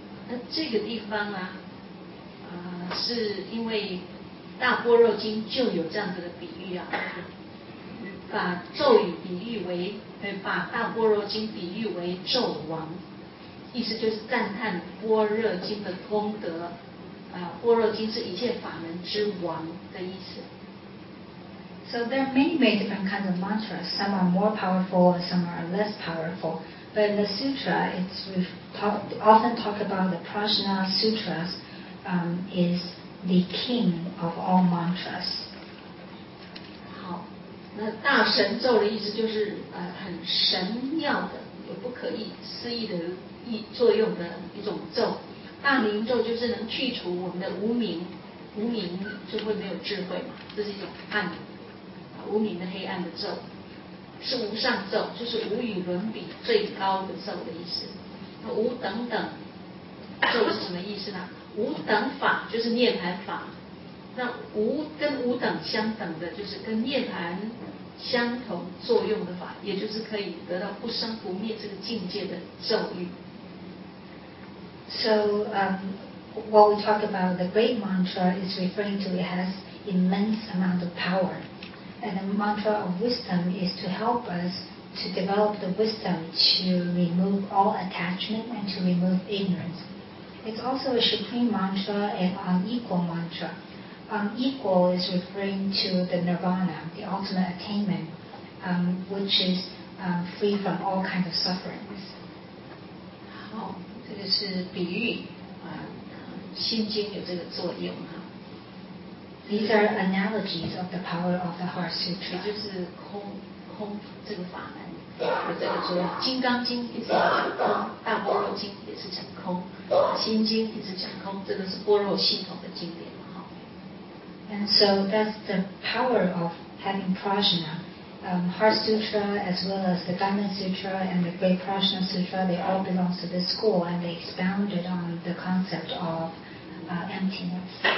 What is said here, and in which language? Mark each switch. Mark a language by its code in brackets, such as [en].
[zh] 那这个地方啊，是因为《大般若经》就有这样子的比喻啊，把咒语比喻为，把《大般若经》比喻为咒王，意思就是赞叹《般若经》的功德。般若经是一切法门之王的意思。 [en] So there are many, many different kinds of mantras. Some are more powerful, some are less powerful. But in the sutra, it's often talked about the Prajna Sutras is the king of all mantras. [zh] 好，那大神咒的意思就是很神妙的，有不可以思议的作用的一种咒。大明咒就是能去除我们的无明，无明就会没有智慧嘛，这是一种暗，无明的黑暗的咒，是无上咒，就是无与伦比最高的咒的意思。那无等等咒是什么意思呢？无等法就是涅槃法，那无跟无等相等的就是跟涅槃相同作用的法，也就是可以得到不生不灭这个境界的咒语。 [en] So, what we talk about, the great mantra is referring to it has immense amount of power. And the mantra of wisdom is to help us to develop the wisdom to remove all attachment and to remove ignorance. It's also a supreme mantra and unequal mantra. Unequal is referring to the nirvana, the ultimate attainment, which is free from all kinds of sufferings. Oh. [zh] 这个是比喻，心经有这个作用哈。 [en] These are analogies of the power of the Heart Sutra， [zh] 就是空这个法门有这个作用。金刚经一直讲空，大般若经也是讲空，心经一直讲空，这个是般若系统的经典哈。 [en] And so that's the power of having prajna. Heart Sutra, as well as the Diamond Sutra and the Great Prajna Sutra, they all belong to this school, and they expounded on the concept of emptiness.